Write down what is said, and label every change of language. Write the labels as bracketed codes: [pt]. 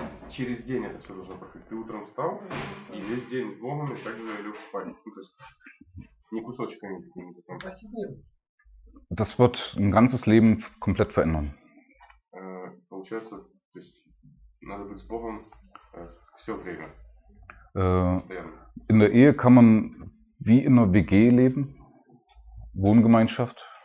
[ru] Через день это все должно проходить. Ты утром встал, и весь день с Богом, и также лег спать. Ну, то есть, ни кусочка не потом. [de] Das wird ein ganzes Leben komplett verändern. [ru] Получается, то есть, надо быть с Богом все время. [de] In der Ehe kann man wie in einer WG leben, Wohngemeinschaft.